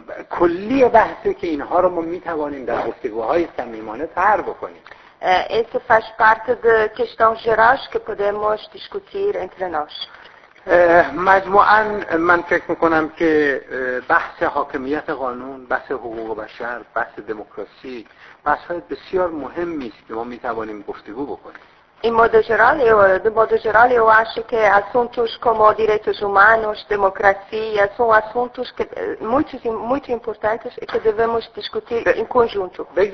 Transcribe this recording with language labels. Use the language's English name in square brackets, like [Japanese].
[Persian] کلی بحثی که اینها رو ما میتوانیم در گفتگوهای صمیمانه تر بکنیم. [Portuguese] Isso faz parte de questões gerais que podemos discutir entre nós. [Persian] مجموعاً من فکر میکنم که بحث حاکمیت قانون، بحث حقوق بشر، بحث دموکراسی، بحث‌های بسیار مهمی است که ما میتوانیم گفتگو بکنیم. [Portuguese] De modo geral, eu acho que assuntos como direitos humanos, democracia, são assuntos que, muito, muito importantes e que devemos discutir em conjunto.